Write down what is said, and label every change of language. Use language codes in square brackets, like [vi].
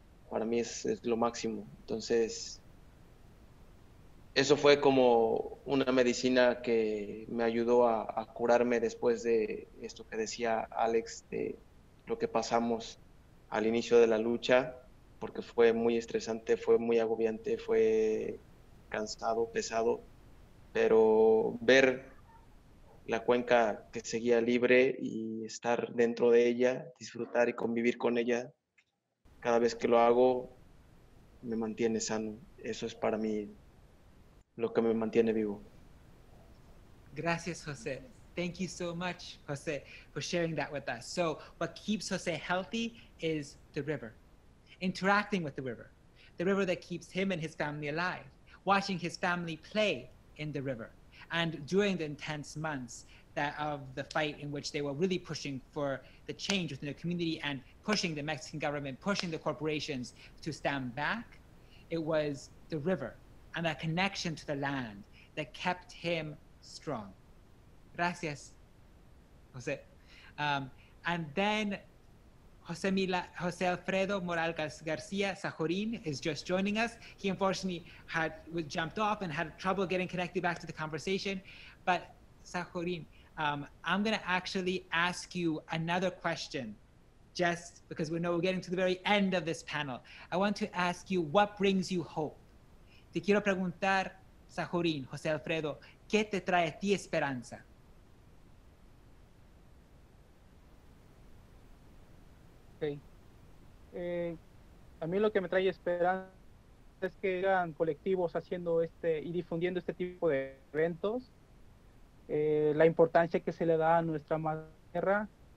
[es] Para mí es lo máximo. Entonces, eso fue como una medicina que me ayudó a curarme después de esto que decía Alex, de lo que pasamos al inicio de la lucha, porque fue muy estresante, fue muy agobiante, fue cansado, pesado, pero ver la cuenca que seguía libre y estar dentro de ella, disfrutar y convivir con ella, cada vez que lo hago, me mantiene sano. Eso es para mí lo que me mantiene vivo. Gracias, José. [en] Thank you so much, José, for sharing that with us. So what keeps José healthy is the river, interacting with the river that keeps him and his family alive, watching his family play in the river, and during the intense months that of the fight in which they were really pushing for the change within the community and pushing the Mexican government, pushing the corporations to stand back, it was the river and that connection to the land that kept him strong. [es] Gracias, José. [en] And then José Alfredo Morales García Sajorín is just joining us. He unfortunately had jumped off and had trouble getting connected back to the conversation. But Sajorín, I'm gonna actually ask you another question, just because we know we're getting to the very end of this panel. I want to ask you, what brings you hope? [es] Te quiero preguntar, Sajorín, José Alfredo, ¿qué te trae a ti esperanza? A mí lo que me trae esperanza es que sigan colectivos haciendo este y difundiendo este tipo de eventos, la importancia que se le da a nuestra madre tierra.